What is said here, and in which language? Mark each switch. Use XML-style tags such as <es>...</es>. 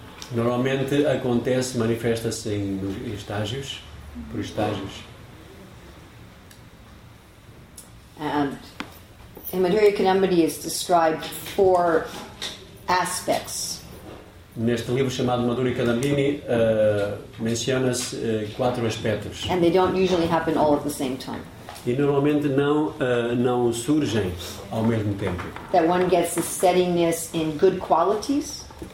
<pt>Normalmente acontece, manifesta-se em estágios, por estágios.</pt> <en>And Madhurya Kadambini is described four aspects.</en> <pt>Neste livro chamado Madhuri Kadambini, menciona-se quatro aspectos.</pt> <en>And they don't usually happen all at the same time.</en> <pt>E normalmente não não surgem ao mesmo tempo.</pt> <en>That one gets the steadiness in good qualities.</en>